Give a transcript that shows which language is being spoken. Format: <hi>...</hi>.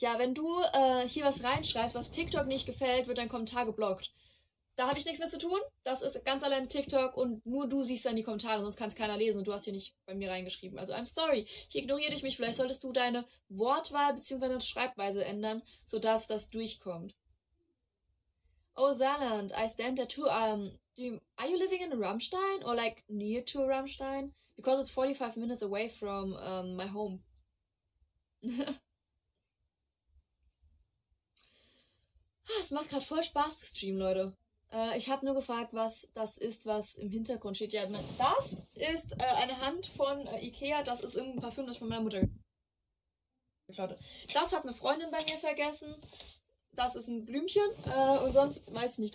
<de>Ja, wenn du hier was reinschreibst, was TikTok nicht gefällt, wird dein Kommentar geblockt. Da habe ich nichts mehr zu tun. Das ist ganz allein TikTok und nur du siehst dann die Kommentare, sonst kann es keiner lesen und du hast hier nicht bei mir reingeschrieben.</de> <en>Also I'm sorry,</en> <de>ich ignoriere dich nicht. Vielleicht solltest du deine Wortwahl bzw. Schreibweise ändern, sodass das durchkommt.</de> <en>Oh, Saarland, I stand there too. Are you living in Rammstein or like near to Rammstein? Because it's 45 minutes away from my home.</en> <de>Es macht gerade voll Spaß zu streamen, Leute. Ich habe nur gefragt, was das ist, was im Hintergrund steht. Ja, das ist eine Hand von Ikea. Das ist irgendein Parfüm, das von meiner Mutter geklaut hat. Das hat eine Freundin bei mir vergessen. Das ist ein Blümchen. Und sonst weiß ich nicht.</de>